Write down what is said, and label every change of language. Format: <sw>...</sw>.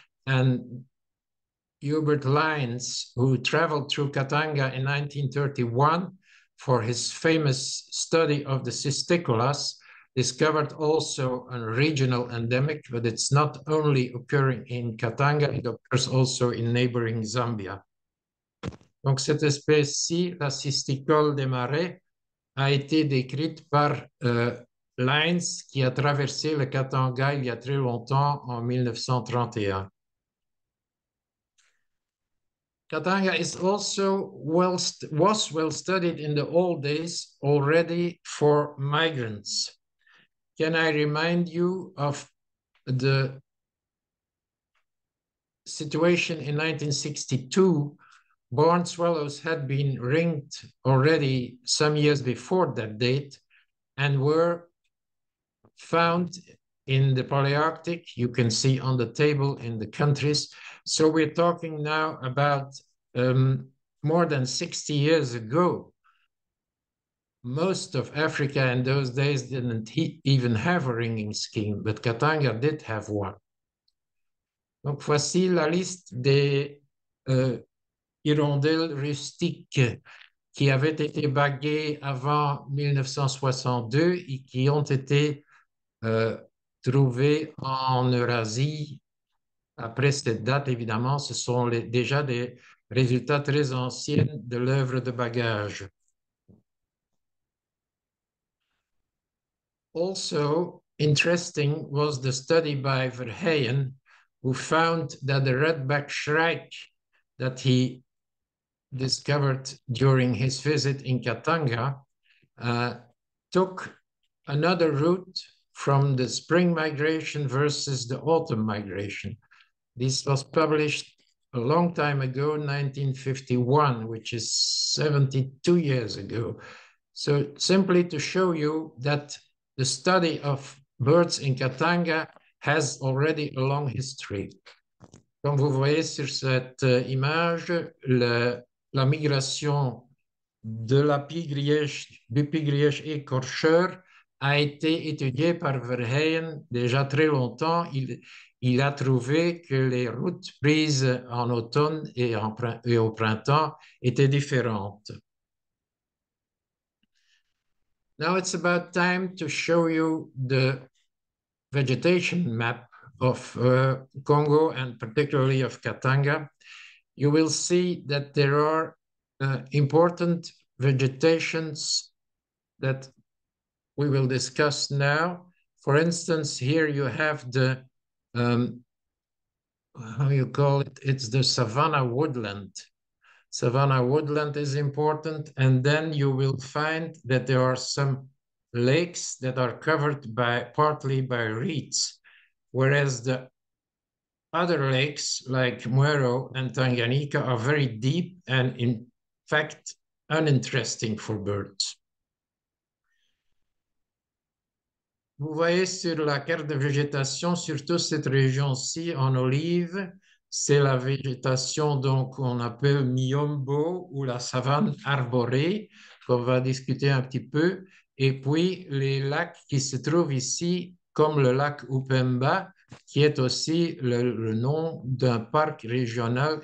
<en>And Hubert Lyons, who traveled through Katanga in 1931 for his famous study of the cysticolas, discovered also a regional endemic, but it's not only occurring in Katanga, it occurs also in neighboring Zambia.</en> <fr>Donc cette espèce-ci, la cysticole des marais, a été décrite par Lyons, qui a traversé le Katanga il y a très longtemps, en 1931.</fr> <en>Katanga is also was well studied in the old days already for migrants. Can I remind you of the situation in 1962? Barn swallows had been ringed already some years before that date and were found in the Palearctic. You can see on the table in the countries. So we're talking now about more than 60 years ago. Most of Africa in those days didn't even have a ringing scheme, but Katanga did have one.</en> <fr>Donc voici la liste des hirondelles rustiques qui avaient été baguées avant 1962 et qui ont été trouvées en Eurasie. Après cette date, évidemment, ce sont déjà des résultats très anciens de l'œuvre de bagage.</fr> <en>Also interesting was the study by Verheyen, who found that the redback shrike that he discovered during his visit in Katanga took another route from the spring migration versus the autumn migration. This was published a long time ago, 1951, which is 72 years ago. So simply to show you that the study of birds in Katanga has already a long history.</en> <fr>Comme vous voyez sur cette image, la migration de la pigrièche, du pigrièche écorcheur a été étudiée par Verheyen déjà très longtemps. Il a trouvé que les routes prises en automne et au printemps étaient différentes.</fr> <en>Now it's about time to show you the vegetation map of Congo and particularly of Katanga. You will see that there are important vegetations that we will discuss now. For instance, here you have the, how you call it? It's the savanna woodland. Savanna woodland is important. And then you will find that there are some lakes that are covered by partly by reeds, whereas the other lakes like Mwero and Tanganyika are very deep and in fact, uninteresting for birds.</en> <fr>Vous voyez sur la carte de végétation, surtout cette région-ci en olive, c'est la végétation, donc on appelle miombo ou la savane arborée, qu'on va discuter un petit peu. Et puis les lacs qui se trouvent ici, comme le lac Upemba, qui est aussi le nom d'un parc régional.</fr>